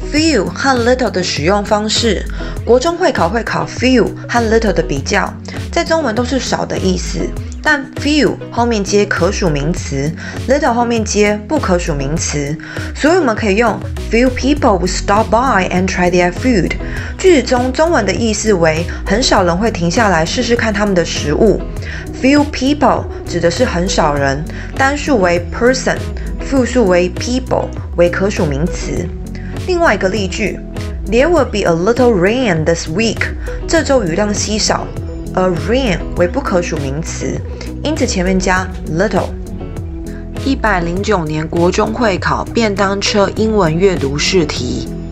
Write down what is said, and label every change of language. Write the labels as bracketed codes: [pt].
[zh] Few 和 little 的使用方式，国中会考会考 few 和 little 的比较，在中文都是少的意思，但 few 后面接可数名词， little 后面接不可数名词，所以我们可以用 [en] few people would stop by and try their food。 [zh] 句子中中文的意思为很少人会停下来试试看他们的食物， few people 指的是很少人，单数为 person， 复数为 people 为可数名词。另外一个例句 [en] ，There will be a little rain this week. [zh] 这周雨量稀少。 A rain 为不可数名词，因此前面加 little。 109年国中会考便当车英文阅读试题。